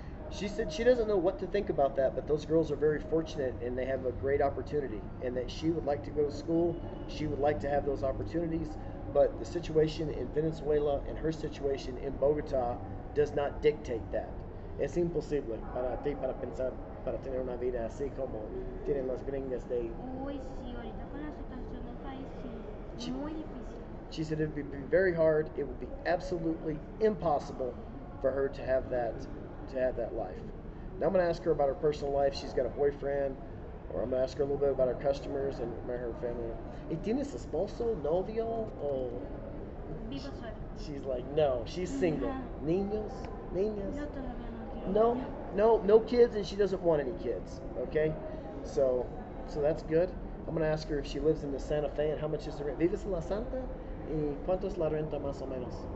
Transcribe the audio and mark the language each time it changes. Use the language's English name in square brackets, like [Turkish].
[English] She said she doesn't know what to think about that, but those girls are very fortunate and they have a great opportunity, and that she would like to go to school, she would like to have those opportunities, but the situation in Venezuela and her situation in Bogota does not dictate that. [Spanish] Es imposible para ti para pensar para tener una vida así como tienen las gringas de... Uy, sí, ahorita con la situación del país, sí. Muy difícil. [English] She said it would be very hard, it would be absolutely impossible for her to have that. To have that life. Now I'm going to ask her about her personal life. She's got a boyfriend, or I'm going to ask her a little bit about her customers and her family. [Spanish] ¿Y tienes esposo, novio, o...? Vivo sola. [English] She's like, no, she's single. ¿Niños? ¿Niñas? [Spanish] No, todavía no. [English] No kids, and she doesn't want any kids, okay? So that's good. I'm going to ask her if she lives in the Santa Fe, and how much is the rent? [Spanish] ¿Vives en La Santa? ¿Y cuánto es la renta, más o menos?